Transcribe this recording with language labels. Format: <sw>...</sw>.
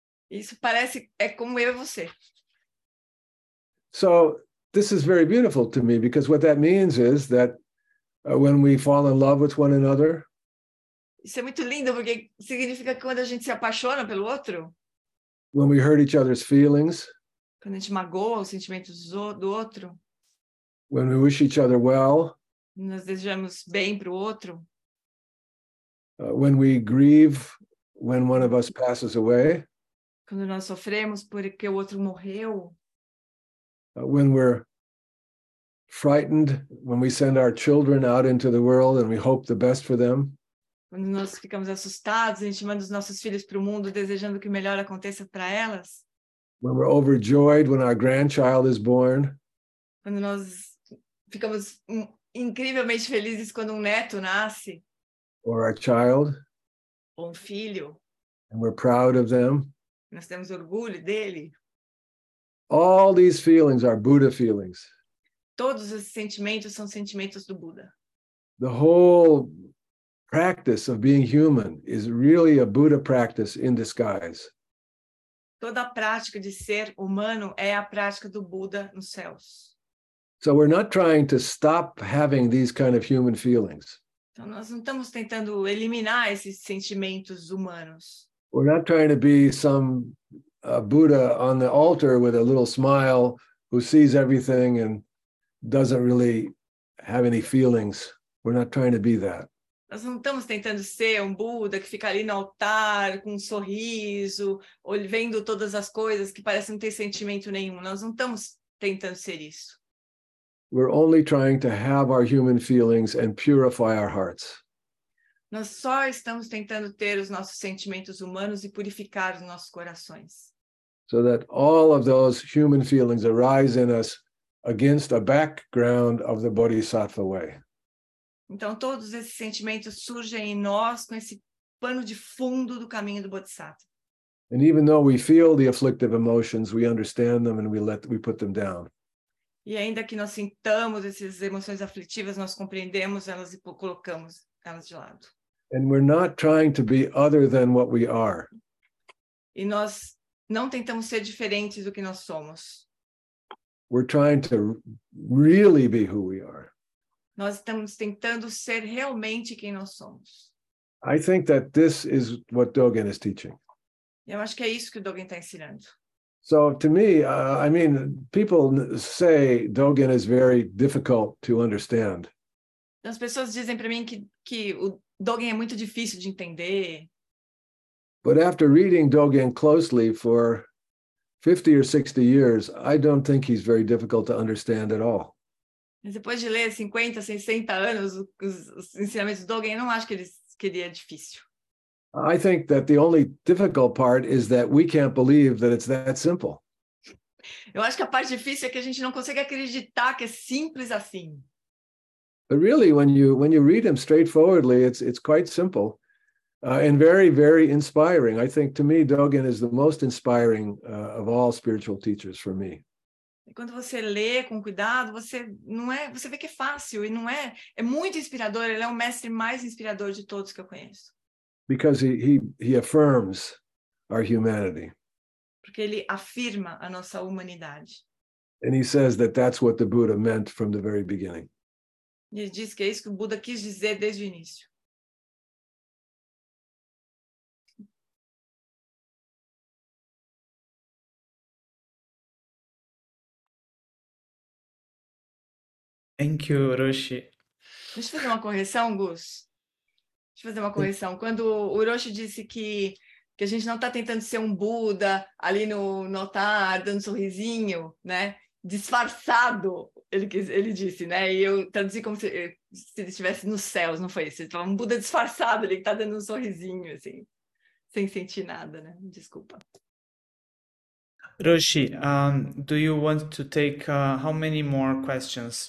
<pt>Isso parece, é como eu e você.</pt> <en>So, this is very beautiful to me, because what that means is that when we fall in love with one another,</en> <pt>isso é muito lindo, porque significa que quando a gente se apaixona pelo outro,</pt> <en>when we hurt each other's feelings,</en> <pt>quando a gente magoa os sentimentos do outro,</pt> <en>when we wish each other well,</en> <pt>nós desejamos bem para o outro,</pt> <en>when we grieve when one of us passes away,</en> <pt>quando nós sofremos porque o outro morreu,</pt> <en>when we're frightened when we send our children out into the world and we hope the best for them,</en> <pt>quando nós ficamos assustados, a gente manda os nossos filhos para o mundo desejando que o melhor aconteça para elas.</pt> <en>When we're overjoyed when our grandchild is born.</en> <pt>Quando nós ficamos incrivelmente felizes quando neto nasce.</pt> <en>Or our child.</en> <pt>Ou filho.</pt> <en>And we're proud of them.</en> <pt>Nós temos orgulho dele.</pt> <en>All these feelings are Buddha feelings.</en> <pt>Todos os sentimentos são sentimentos do Buda.</pt> <en>The whole practice of being human is really a Buddha practice in disguise.</en> <pt>Toda a prática de ser humano é a prática do Buda nos céus.</pt> <en>So we're not trying to stop having these kind of human feelings.</en> <pt>Então nós não estamos tentando eliminar esses sentimentos humanos.</pt> <en>We're not trying to be some Buddha on the altar with a little smile who sees everything and doesn't really have any feelings. We're not trying to be that.</en> <pt>Nós não estamos tentando ser Buda que fica ali no altar com sorriso, vendo todas as coisas que parecem não ter sentimento nenhum. Nós não estamos tentando ser isso.</pt> <en>We're only trying to have our human feelings and purify our hearts.</en> <pt>Nós só estamos tentando ter os nossos sentimentos humanos e purificar os nossos corações.</pt> <en>So that all of those human feelings arise in us against a background of the Bodhisattva way.</en> <pt>Então, todos esses sentimentos surgem em nós com esse pano de fundo do caminho do Bodhisattva.</pt> <en>And even though we feel the afflictive emotions, we understand them and we put them down.</en> <pt>E ainda que nós sintamos essas emoções aflitivas, nós compreendemos elas e colocamos elas de lado.</pt> <en>And we're not trying to be other than what we are.</en> <pt>E nós não tentamos ser diferentes do que nós somos.</pt> <en>We're trying to really be who we are.</en> <pt>Nós estamos tentando ser realmente quem nós somos.</pt> <en>I think that this is what Dogen is teaching.</en> <pt>Eu acho que é isso que o Dogen está ensinando.</pt> <en>So to me, I mean, people say Dogen is very difficult to understand.</en> <pt>As pessoas dizem para mim que o Dogen é muito difícil de entender.</pt> <en>But after reading Dogen closely for 50 or 60 years, I don't think he's very difficult to understand at all.</en> <pt>Depois de ler 50, 60 anos, os ensinamentos do Dogen, eu não acho que ele que dia difícil.</pt> <en>I think that the only difficult part is that we can't believe that it's that simple.</en> <pt>Eu acho que a parte difícil é que a gente não consegue acreditar que é simples assim.</pt> <en>But really, when you read them straightforwardly, it's quite simple. And very, very inspiring. I think, to me, Dogen is the most inspiring of all spiritual teachers for me.</en> <pt>Quando você lê com cuidado, você vê que é fácil e não é. É muito inspirador. Ele é o mestre mais inspirador de todos que eu conheço.</pt> <en>Because he affirms our humanity.</en> <pt>Porque ele afirma a nossa humanidade.</pt> <en>And he says that that's what the Buddha meant from the very beginning.</en> <pt>Ele diz que é isso que o Buda quis dizer desde o início.</pt> <en>Thank you, Roshi.</en> <pt>Deixa eu fazer uma correção, Gus. Deixa eu fazer uma correção. Quando o Roshi disse que a gente não está tentando ser um Buda ali no altar, dando um sorrisinho, né? Disfarçado, ele disse, né? E eu traduzi como se ele estivesse nos céus, não foi isso? Ele falou, um Buda disfarçado, ele está dando um sorrisinho, assim, sem sentir nada, né? Desculpa.</pt> <en>Roshi, do you want to take how many more questions?</en>